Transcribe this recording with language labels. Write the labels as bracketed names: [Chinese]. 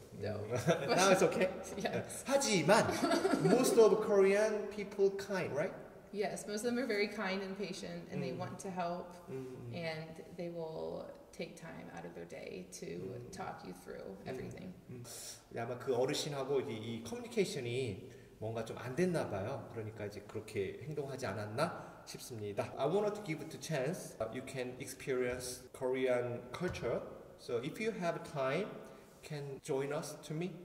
[English] No. Now it's okay. Yes. 하지만 most of Korean people kind, right? Yes, most of them are very kind and patient and they want to help and they will take time out of their day to talk you through everything. [Korean] 아마 그 어르신하고 이제 이 커뮤니케이션이 뭔가 좀 안 됐나 봐요. 그러니까 이제 그렇게 행동하지 않았나 싶습니다. [English] I wanted to give it a chance. You can experience Korean culture. So if you have time, can join us to me?